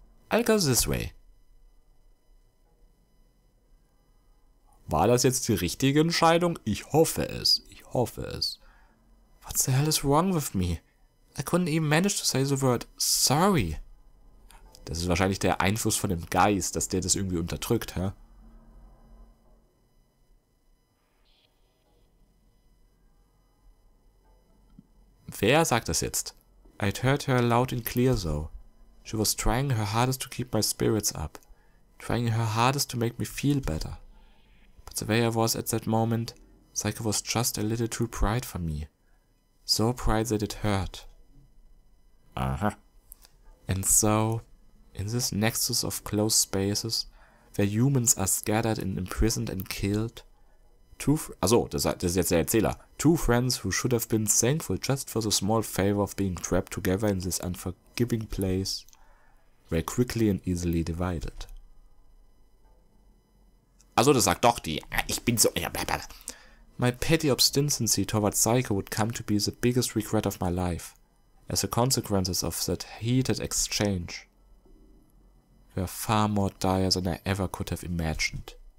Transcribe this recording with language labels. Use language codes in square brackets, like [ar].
[en] I'll go this way. [de] War das jetzt die richtige Entscheidung? Ich hoffe es. Ich hoffe es. [en] What the hell is wrong with me? I couldn't even manage to say the word sorry. [de] Das ist wahrscheinlich der Einfluss von dem Geist, dass der das irgendwie unterdrückt, hä? Wer sagt das jetzt? [en] I'd heard her loud and clear though. She was trying her hardest to keep my spirits up. Trying her hardest to make me feel better. But the way I was at that moment, Psycho was just a little too bright for me. So bright that it hurt. Aha. And so, in this nexus of closed spaces, where humans are scattered and imprisoned and killed, two friends who should have been thankful just for the small favor of being trapped together in this unforgiving place, were quickly and easily divided. [de] Also, das sagt doch die, ich bin so, ja, blablabla. [en] My petty obstinacy toward Psycho would come to be the biggest regret of my life. As a consequence of that heated exchange. were far more dire than I ever could have imagined.